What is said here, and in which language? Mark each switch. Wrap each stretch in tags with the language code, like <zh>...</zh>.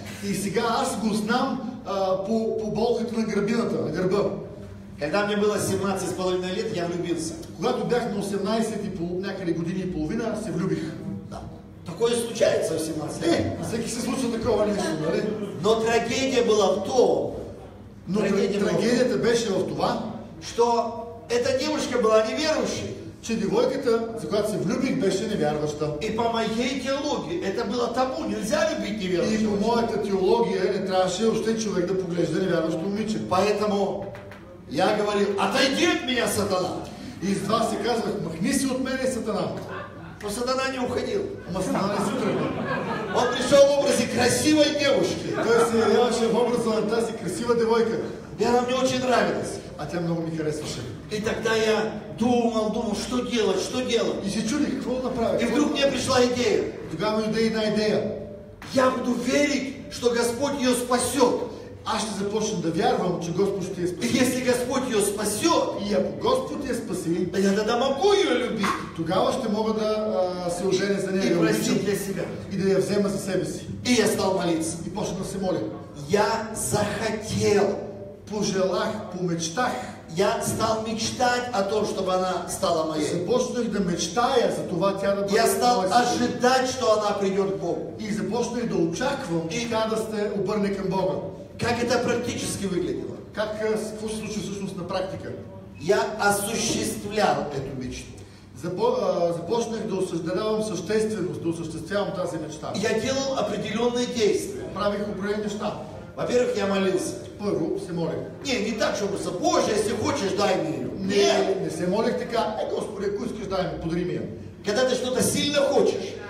<bg>И сега аз го знам по болката на гърбината, на гърба.</bg> <ru>Когда мне было 17,5 лет, я влюбился.</ru> <bg>Когато бях на 18 и някъде години и половина, се влюбих.</bg> <ru>Да. Такое случается в 17 лет.</ru> <bg>Всеки се случва такова нещо, нали?</bg> <ru>Но трагедия была в том.</ru> <bg>Но трагедията беше в това,</bg> <ru>что эта девушка была неверующей.</ru> <bg>Че девойката, за която се влюбих, беше невярваща.</bg> <ru>И по моей теологии это было табу, нельзя ли быть неверующим?</ru> <bg>И по моята теология не трябваше още човек да поглежда невярващо момиче.</bg> <ru>Поэтому я говорил, отойди от меня, сатана!</ru> <bg>И с два си казвах, махни си от мене, сатана!</bg> <ru>Но сатана не уходил.</ru> <bg>Ама сатана не си тръгнал.</bg> <ru>Он пришел в образе красивой девушки.</ru> <bg>Той се явяваше в образа на тази красива девойка.</bg> <ru>И она мне очень нравилась.</ru> <bg>А тебе много ми харесваше.</bg> <ru>И тогда я думал, что делать.</ru> <bg>И се чудих, какво направи.</bg> <ru>И вдруг мне пришла идея.</ru> <bg>Тогава иде една идея.</bg> <ru>Я буду верить, что Господь ее спасет.</ru> <bg>Аз ще започна да вярвам, че Господ ще я спаси.</bg> <ru>И если Господь ее спасет.</ru> <bg>И ако Господ я спаси.</bg> <ru>Да я тогда могу ее любить.</ru> <bg>Тогава ще мога да се оженя за нея.</bg> <ru>И простить для себя.</ru> <bg>И да я взема за себе си.</bg> <ru>И я стал молиться.</ru> <bg>И почна да се моля.</bg> <ru>Я захотел.</ru> <bg>Пожелах, помечтах.</bg> <ru>Я стал мечтать о том, чтобы она стала моей.</ru> <bg>Започнах да мечтая за това тя да бъде.</bg> <ru>Я стал ожидать, что она придет к Богу.</ru> <bg>И започнах да очаквам, и тя да се обърне към Бога.</bg> <ru>Как это практически выглядело?</ru> <bg>Как се случи всъщност на практика?</bg> <ru>Я осуществлял эту мечту.</ru> <bg>Започнах да осъждавам същественост, да осъществявам тази мечта.</bg> <ru>Я делал определенные действия.</ru> <bg>Правих определенные неща.</bg> <ru>Во-первых, я молился.</ru> <bg>Първо се молих.</bg> <ru>Не так, що просто, Боже, если хочешь, дай мне.</ru> <bg>Не се молих така, Господи, ако искаш, дай ми, подари ми.</bg> <ru>Когда ты что-то сильно хочешь,</ru>